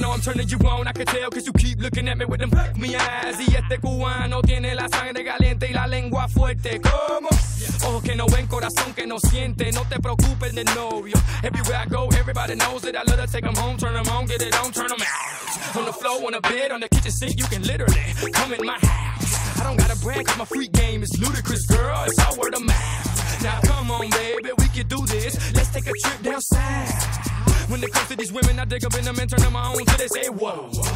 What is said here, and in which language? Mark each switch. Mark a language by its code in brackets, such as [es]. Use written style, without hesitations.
[en] You won't, I can tell, cause you keep looking at me with them me eyes. [es] Y este cubano tiene la sangre caliente y la lengua fuerte. Como ojos que no ven, corazón que no siente. No te preocupes de novio. [en] Everywhere I go, everybody knows that I love to take them home, turn them on, get it on, turn them out. On the floor, on the bed, on the kitchen sink, you can literally come in my house. I don't got a brand, cause my freak game is ludicrous, girl. It's all word of mouth. Now come on, baby, we can do this. Let's take a trip down south. When it comes to these women, I dig up in them and turn them on till they say, whoa.